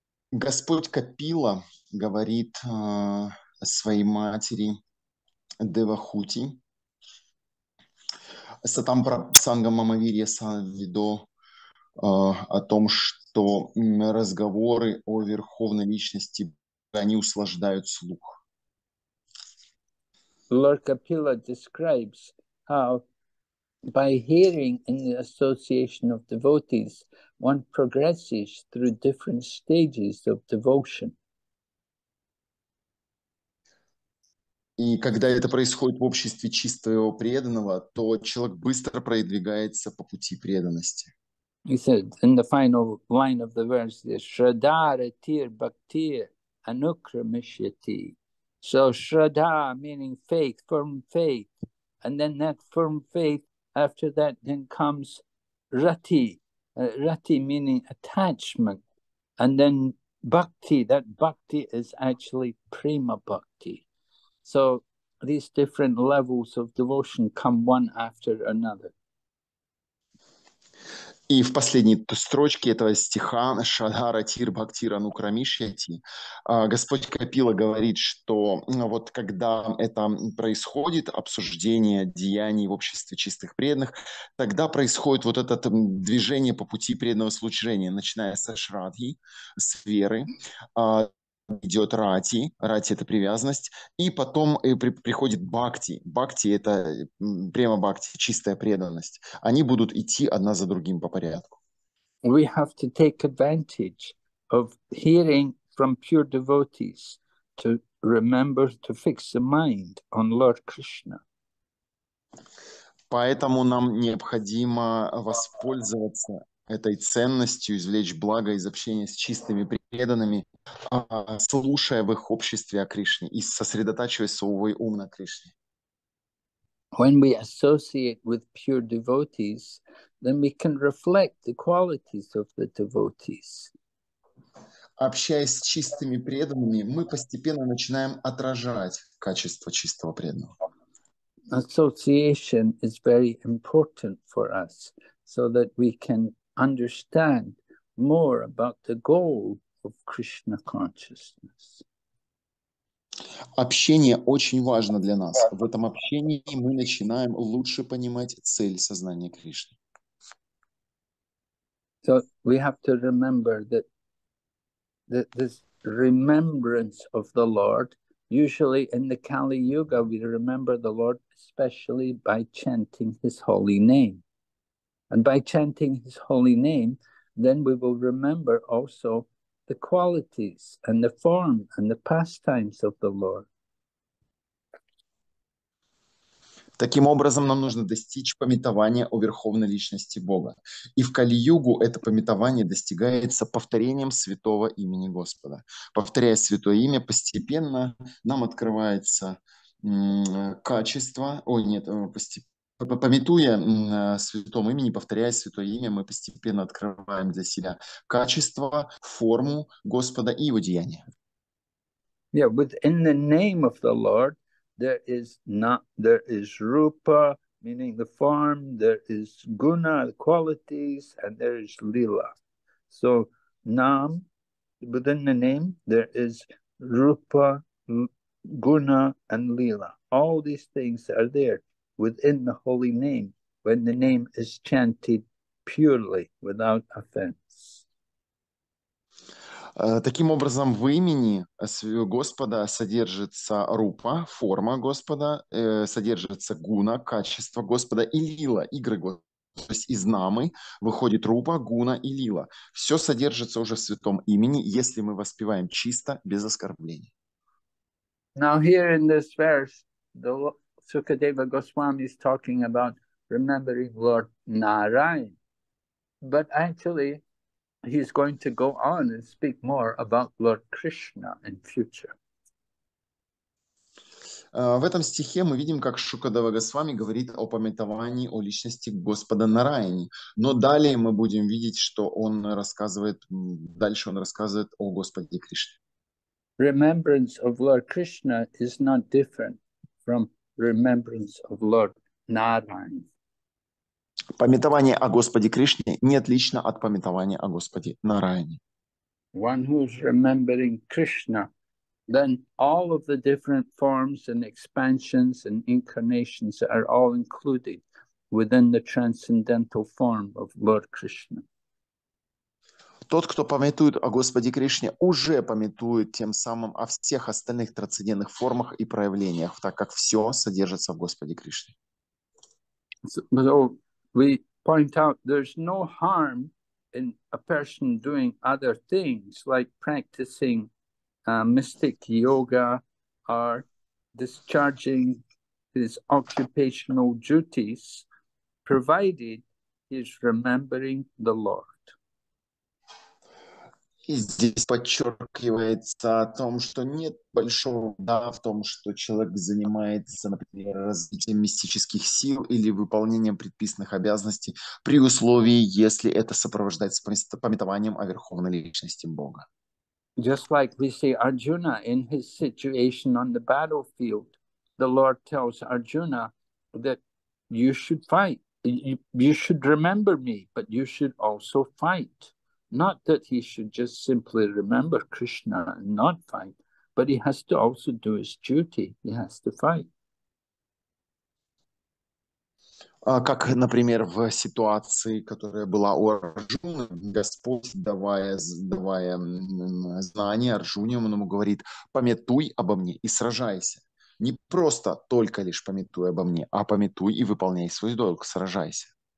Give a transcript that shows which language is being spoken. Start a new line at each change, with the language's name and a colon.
Russian: Господь Капила говорит своей матери Девахути,
Sanskrit: Сатам Прасанга Мамавирья Саввидо,
Russian: о том, что разговоры о Верховной Личности, они услаждают слух.
English: Lord Kapila describes how by hearing in the association of devotees, one progresses through different stages of devotion.
Russian: И когда это происходит в обществе чистого преданного, то человек быстро продвигается по пути преданности.
English: He said in the final line of the verse, this
Sanskrit: Shraddha Ratir Bhaktir Anukramishyati.
English: So Shraddha meaning faith, firm faith, and then that firm faith, after that then comes Rati, Rati meaning attachment, and then Bhakti, that Bhakti is actually Prema Bhakti. So these different levels of devotion come one after another.
Russian: И в последней строчке этого стиха
Sanskrit: «Шадхара тир бхактир анукрамишьяти»
Russian: Господь Капила говорит, что вот когда это происходит, обсуждение деяний в обществе чистых преданных, тогда происходит вот это движение по пути преданного служения, начиная со шрадхи, с веры, идет рати, рати – это привязанность, и потом приходит бхакти. Бхакти – это према бхакти, чистая преданность. Они будут идти одна за другим по порядку.
English: We have to take advantage of hearing from pure devotees to remember to fix the mind on Lord Krishna.
Russian: Поэтому нам необходимо воспользоваться этой ценностью, извлечь благо из общения с чистыми преданными, слушая в их обществе о Кришне и сосредотачивая свой ум на Кришне.
English: When we associate with pure devotees, then we can reflect the qualities of the devotees.
Russian: Общаясь с чистыми преданными, мы постепенно начинаем отражать качество чистого преданного.
English: Association is very important for us so that we can understand more about the goal of Krishna consciousness.
Russian: Общение очень важно для нас. В этом общении мы начинаем лучше понимать цель сознания Кришны.
English: So we have to remember that this remembrance of the Lord, usually in the Kali Yuga, we remember the Lord especially by chanting his holy name. And by chanting his holy name, then we will remember also the qualities and the form and the pastimes of the Lord.
Russian: Таким образом, нам нужно достичь памятования о Верховной Личности Бога. И в Кали-Югу это памятование достигается повторением святого имени Господа. Повторяя святое имя, постепенно нам открывается качество, ой, нет, постепенно. Памятуя святом имени, повторяя святое имя, мы постепенно открываем для себя качество, форму Господа и его деяния.
English: Yeah, within the name of the Lord, there is rupa, meaning the form, there is guna, the qualities, and there is lila. So, nam, within the name, there is rupa, guna, and lila. All these things are there within the holy name, when the name is chanted purely, without offense.
Russian: Таким образом, в имени Господа содержится рупа, форма Господа, содержится гуна, качество Господа и лила, игры Господа. То есть из намы выходит рупа, гуна и лила. Все содержится уже в святом имени, если мы воспеваем чисто, без оскорблений.
English: Now here in this verse, the Sukadeva Goswami is talking about remembering Lord Narayan. But actually, he's going to go on and speak more about Lord Krishna in future.
Russian: В этом стихе мы видим, как Шукадева Госвами говорит о памятовании о личности Господа Нараяне. Но далее мы будем видеть, что он рассказывает, дальше он рассказывает о Господе Кришне.
English: Remembrance of Lord Krishna is not different from remembrance of Lord Нараян.
Russian: Пометование о Господе Кришне не отлично от пометования о Господе Нараяне.
English: One who's remembering Krishna, then all of the different forms and expansions and incarnations are all included within the transcendental form of Lord Krishna.
Russian: Тот, кто памятует о Господе Кришне, уже памятует тем самым о всех остальных трансцендентных формах и проявлениях, так как все содержится в Господе Кришне.
English: So we point out there's no harm in a person doing other things like practicing mystic yoga or discharging his occupational duties, provided he's remembering the Lord.
Russian: И здесь подчеркивается о том, что нет большого вреда в том, что человек занимается, например, развитием мистических сил или выполнением предписанных обязанностей, при условии, если это сопровождается памятованием о Верховной Личности Бога.
English: Just like we see Arjuna in his situation on the battlefield, the Lord tells Arjuna that you should fight, you should remember me, but you should also fight. Not that he should just simply remember Krishna and not fight, but he has to also do his duty. He has to fight.
Russian: Как, например, в ситуации, которая была у Арджуны, Господь, давая знания Арджуне, он ему говорит: «Памятуй обо мне и сражайся. Не просто только лишь памятуй обо мне, а памятуй и выполняй свой долг, сражайся».